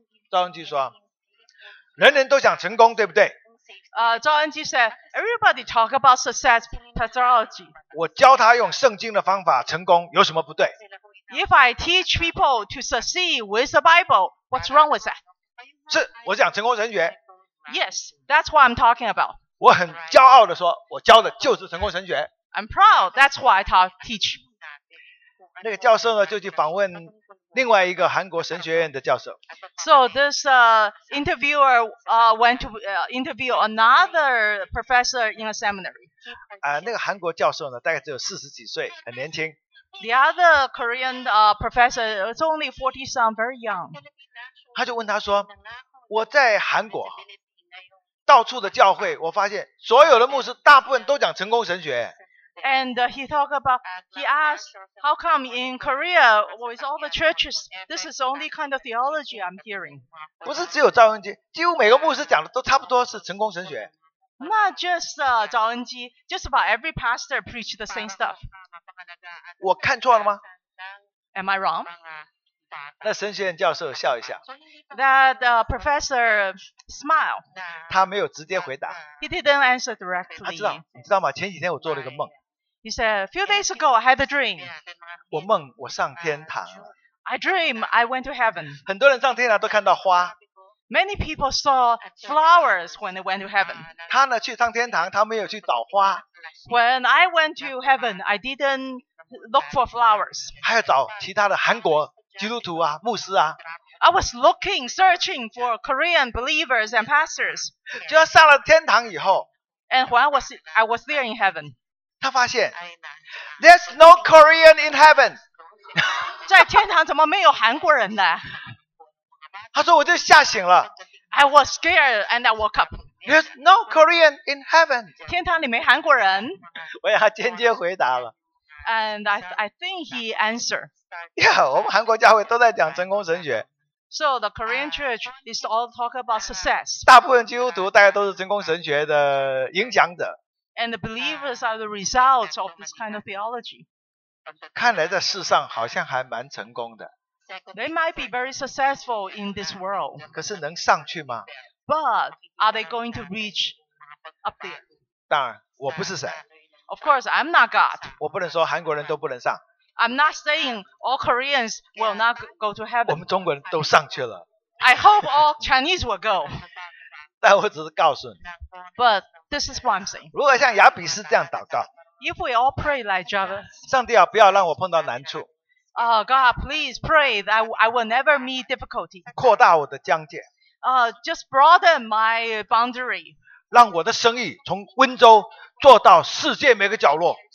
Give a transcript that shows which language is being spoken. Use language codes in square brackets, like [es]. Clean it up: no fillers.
[zh] 赵镛基说：“人人都想成功，对不对？” [en] 赵恩基 said, everybody talk about success pathology. [zh] 我教他用圣经的方法成功有什么不对？ [en] If I teach people to succeed with the Bible, what's wrong with that? [zh] 是，我讲成功神学。 [en] Yes, that's what I'm talking about. [zh] 我很骄傲地说，我教的就是成功神学。 [en] I'm proud, that's what I teach. [zh] 那个教授呢，就去访问另外一个韩国神学院的教授。 [en] So this interviewer went to interview another professor in a seminary. [zh] 那个韩国教授呢，大概只有四十几岁，很年轻。 [en] The other Korean professor was only 40-some, very young. [zh] 他就问他说：“我在韩国到处的教会，我发现所有的牧师大部分都讲成功神学。” [en] And he talked about. He asked, "How come in Korea, with all the churches, this is the only kind of theology I'm hearing?" [zh] 不是只有赵恩基，几乎每个牧师讲的都差不多是成功神学。 [en] Not just 赵恩基 just about every pastor preach the same stuff. [zh] 我看错了吗 [en] ？Am I wrong? [zh] 那神学院教授笑一下。 [en] That professor smiled. [zh] 他没有直接回答。 [en] He didn't answer directly. [zh] 他知道，你知道吗？前几天我做了一个梦。 [en] He said, a few days ago, I had a dream. [zh] 我梦我上天堂。 [en] I dream I went to heaven. [zh] 很多人上天堂都看到花。 [en] Many people saw flowers when they went to heaven. [zh] 他呢去上天堂，他没有去找花。 [en] When I went to heaven, I didn't look for flowers. [zh] 还要找其他的韩国基督徒啊，牧师啊。 [en] I was looking, searching for Korean believers and pastors. [zh] 就要上了天堂以后。 [en] And when I was there in heaven. [zh] 他发现 [en] ，There's no Korean in heaven. [zh] 在天堂怎么没有韩国人呢？他说我就吓醒了。 [en] I was scared and I woke up. There's no Korean in heaven. [zh] 天堂里没韩国人。我也他间接回答了。 [en] And I think he answered. [zh] Yeah, 我们韩国教会都在讲成功神学。 [en] So the Korean church is all talk about success. [zh] 大部分基督徒大概都是成功神学的影响者。 [en] And the believers are the results of this kind of theology. [zh] 看来在世上好像还蛮成功的。 [en] They might be very successful in this world. [zh] 可是能上去吗？ [en] But are they going to reach up there? [zh] 当然，我不是神。 [en] Of course, I'm not God. [zh] 我不能说韩国人都不能上。 [en] I'm not saying all Koreans will not go to heaven. [zh] 我们中国人都上去了。 [en] I hope all Chinese will go. [zh] 但我只是告诉你。 [en] But this is what I'm saying. [zh] 如果像亚比斯这样祷告。 [en] If we all pray like Jabez. [zh] 上帝啊，不要让我碰到难处。 [en] Oh, God, please pray that I will never meet difficulty. [zh] 扩大我的疆界。 [en] Just broaden my boundary. [zh] 让我的生意从温州做到世界每个角落。